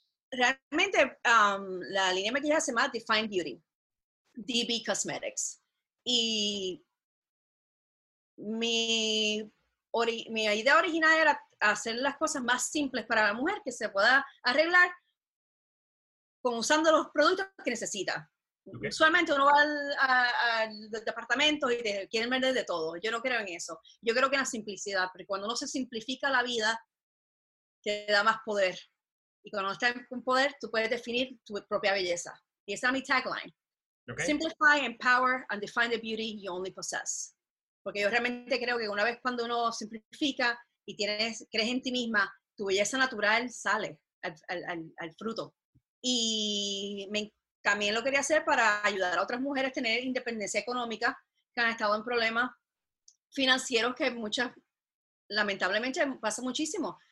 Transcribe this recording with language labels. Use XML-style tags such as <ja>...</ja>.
<es>Realmente la línea de maquillaje se llama Define Beauty, DB Cosmetics, y mi idea original era hacer las cosas más simples para la mujer que se pueda arreglar con usando los productos que necesita. Okay. Usualmente uno va al departamento y quieren vender de todo. Yo no creo en eso. Yo creo que en la simplicidad, porque cuando uno se simplifica la vida te da más poder. Y cuando estás con poder, tú puedes definir tu propia belleza. Y esa es mi tagline. Okay.</es> <en>Simplify, empower, and define the beauty you only possess.</en> <es>Porque yo realmente creo que una vez cuando uno simplifica y crees en ti misma, tu belleza natural sale al fruto. Y también lo quería hacer para ayudar a otras mujeres a tener independencia económica que han estado en problemas financieros que muchas, lamentablemente, pasa muchísimo.</es>